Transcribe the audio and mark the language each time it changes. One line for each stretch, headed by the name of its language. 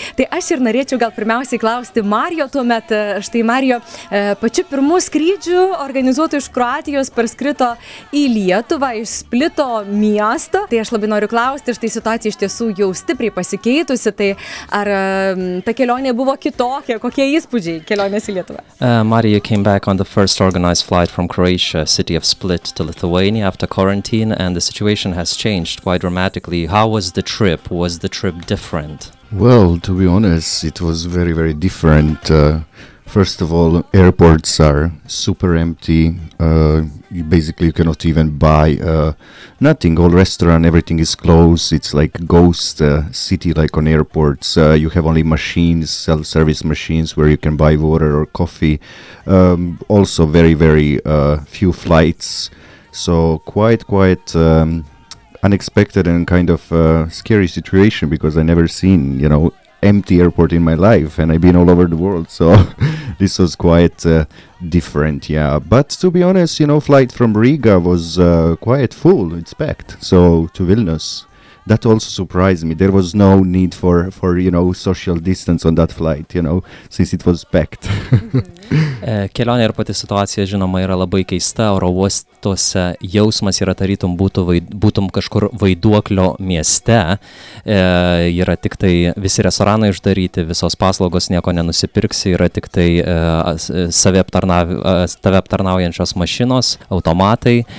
Lithuanian: Tai aš ir norėčiau gal pirmiausiai klausti Mario tuomet. Štai Mario, pačiu pirmu skrydžiu organizuotu iš Kroatijos parskrito į Lietuvą, iš Splito miesto. Tai aš labai noriu klausti, štai situacija iš tiesų jau stipriai pasikeitusi. Tai ar ta kelionė buvo kitokia? Kokie įspūdžiai kelionės į Lietuvą?
English: Mario came back on the first organized flight from Croatia, city of Split, to Lithuania after quarantine, and the situation has changed quite dramatically. How was the trip? Was the trip different? Well, to be honest, it was very, very different. First of all, airports are super empty. You cannot even buy nothing. All restaurant, everything is closed. It's like ghost city, like on airports. You have only machines, self-service machines, where you can buy water or coffee. Also, very, very few flights. So quite... unexpected and kind of scary situation, because I never seen, you know, empty airport in my life, and I've been all over the world, so this was quite different, yeah. But to be honest, you know, flight from Riga was quite full, it's packed, so to Vilnius, that also surprised me. There was no need for, you know, social distance on that flight, you know, since it was packed. Mm-hmm.
Lithuanian: Kelionė ir pati situacija, žinoma, yra labai keista. Oro uostuose jausmas yra tarytum būtum kažkur vaiduoklio mieste. Yra tik tai visi restoranai uždaryti, visos paslaugos nieko nenusipirksi, yra tik tai tave aptarnaujančios mašinos, automatai.